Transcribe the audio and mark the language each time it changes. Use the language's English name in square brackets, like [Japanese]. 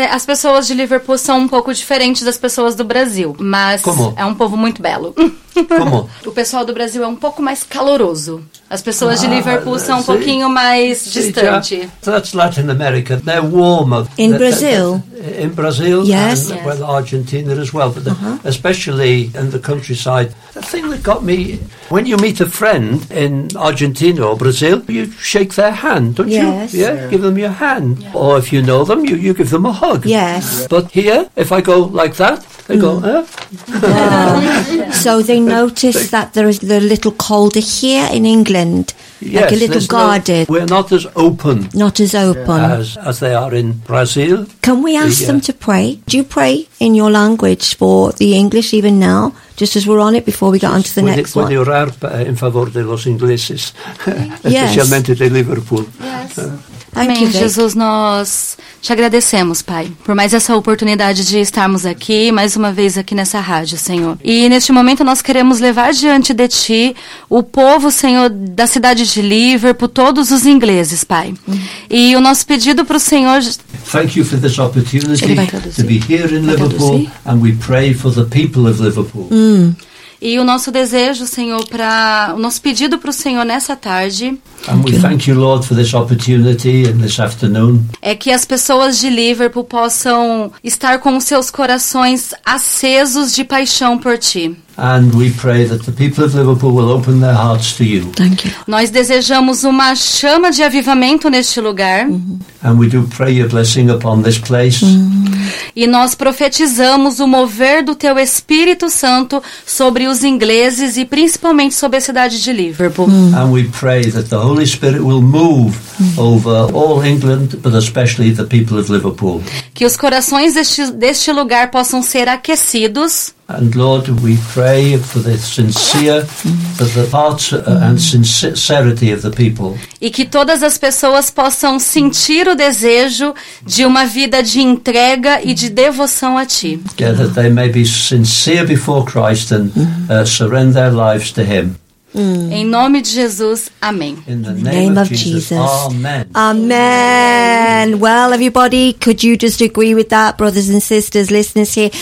[Portuguese] As pessoas de Liverpool são um pouco diferentes das pessoas do Brasil, mas... Como? É um povo muito belo. Como? O pessoal do Brasil é um pouco mais caloroso. As pessoas de Liverpool são um pouquinho mais distante. [English] That's Latin America. They're warmer. In Brazil? In Brazil. Yes. And, well, Argentina as well, but especially in the countryside. The thing that got me, when you meet a friend in Argentina or Brazil, you shake their hand, don't you? Yes. Yeah, give them your hand. Yeah. Or if you know them, you give them a hug. Yes. But here, if I go like that, they go, huh? So they notice that there is a little colder here in England. Yes, like a little guarded. No, we're not as open. Not as open. As they are in Brazil. Can we ask them to pray? Do you pray in your language for the English even now? Just as we're on it before we get on to the next one. [Spanish] Puede orar en favor de los ingleses. [English] Yes. [Spanish] Especialmente de Liverpool. [English] Yes. [Portuguese] Amém, Jesus, nós te agradecemos, Pai, por mais essa oportunidade de estarmos aqui, mais uma vez aqui nessa rádio, Senhor. E neste momento nós queremos levar diante de Ti o povo, Senhor, da cidade de Liverpool, todos os ingleses, Pai. E o nosso pedido para o Senhor... [English] Thank you for this opportunity to be here in Liverpool, and we pray for the people of Liverpool. [Portuguese] E o nosso desejo, Senhor, para o nosso pedido para o Senhor nessa tarde. [English] And we thank you, Lord, for this opportunity and this afternoon. [Portuguese] É que as pessoas de Liverpool possam estar com os seus corações acesos de paixão por Ti. [English] And we pray that the people of Liverpool will open their hearts to you. Thank you. [Portuguese] Nós desejamos uma chama de avivamento neste lugar. [English] And we do pray your blessing upon this place. [Portuguese] E nós profetizamos o mover do Teu Espírito Santo sobre os ingleses e principalmente sobre a cidade de Liverpool. [English] And we pray that the Holy Spirit will move over all England, but especially the people of Liverpool. [Portuguese] Que os corações deste lugar possam ser aquecidos. [English] And Lord, we pray for the sincere, for the hearts and sincerity of the people. [Portuguese] E que todas as pessoas possam sentir o desejo de uma vida de entrega e de devoção a Ti. [English] Yeah, that they may be sincere before Christ and surrender their lives to Him. [Portuguese] Em nome de Jesus, amém. [English] In the name of Jesus. Amen. Amen. Well, everybody, could you just agree with that, brothers and sisters, listeners here?